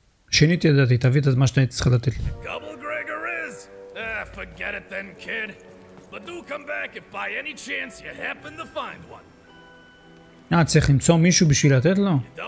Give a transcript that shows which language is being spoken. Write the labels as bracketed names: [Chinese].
[Hebrew] שיניתי את דעתי, תביא את מה שאני צריך לתת לי. [English] Gobble Greg is. Forget it then, kid. But do come back if by any chance you happen to find one. [Hebrew] אה, צריך למצוא מישהו בשביל לתת לו?